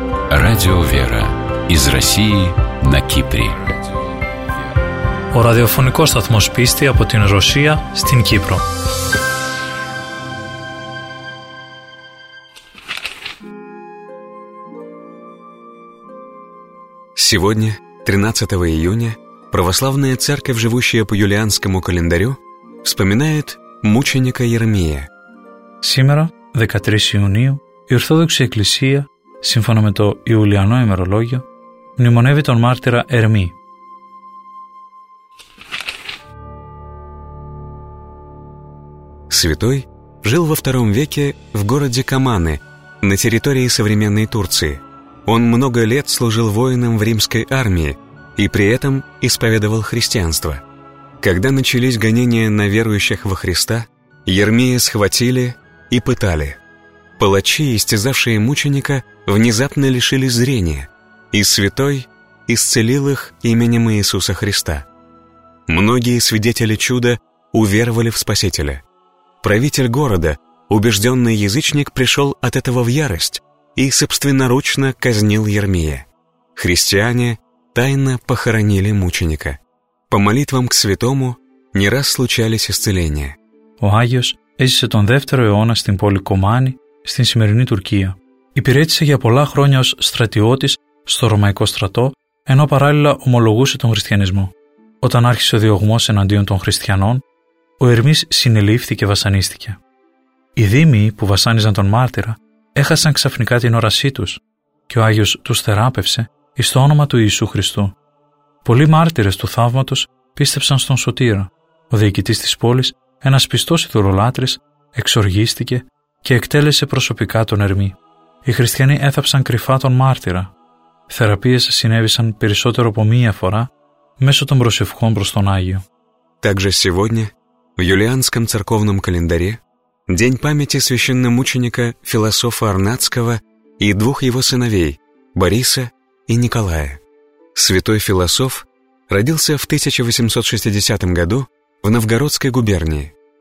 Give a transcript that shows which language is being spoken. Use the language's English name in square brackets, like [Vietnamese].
[Russian] Радио «Вера» из России на Кипре. [Greek] Ο ραδιοφωνικός σταθμός πίστη από την Ρωσία στην Κύπρο. [Russian] Сегодня, 13 июня, православная церковь, живущая по юлианскому календарю, вспоминает мученика Иеремия. Сегодня, 13 июня, [Greek] η Ορθόδοξη Εκκλησία, σύμφωνα με το Ιουλιανό ημερολόγιο, μνημονεύει τον μάρτυρα Ερμή. [Russian] Святой жил во втором веке в городе Каманы, на территории современной Турции. Он много лет служил воином в римской армии и при этом исповедовал христианство. Когда начались гонения на верующих во Христа, Иеремия схватили и пытали. Палачи, истязавшие мученика, внезапно лишили зрения, и святой исцелил их именем Иисуса Христа. Многие свидетели чуда уверовали в Спасителя. Правитель города, убежденный язычник, пришел от этого в ярость и собственноручно казнил Иеремия. Христиане тайно похоронили мученика. По молитвам к святому не раз случались исцеления. [Greek] Ο Άγιος έζησε τον 2ο αιώνα στην πόλη Κομάνη, στην σημερινή Τουρκία. Υπηρέτησε για πολλά χρόνια ως στρατιώτης στο Ρωμαϊκό στρατό, ενώ παράλληλα ομολογούσε τον χριστιανισμό. Όταν άρχισε ο διωγμός εναντίον των χριστιανών, ο Ερμής συνελήφθη και βασανίστηκε. Οι δήμοι που βασάνιζαν τον μάρτυρα έχασαν ξαφνικά την όρασή τους και ο Άγιος τους θεράπευσε εις το όνομα του Ιησού Χριστού. Πολλοί μάρτυρες του θαύματος πίστεψαν στον Σωτήρα. Ο διοικητής της πόλης, ένας πιστός ειδωλολάτρης, εξοργίστηκε και εκτέλεσε προσωπικά τον Ερμή. Οι χριστιανοί έθαψαν κρυφά τον μάρτυρα. Θεραπείες συνέβησαν περισσότερο από μία φορά μέσω των προσευχών προς τον Άγιο. [Russian] Также сегодня в юлианском церковном календаре день памяти священномученика философа Арнацкого и двух его сыновей Бориса и Николая. Святой философ родился в 1860 году в Новгородской губернии.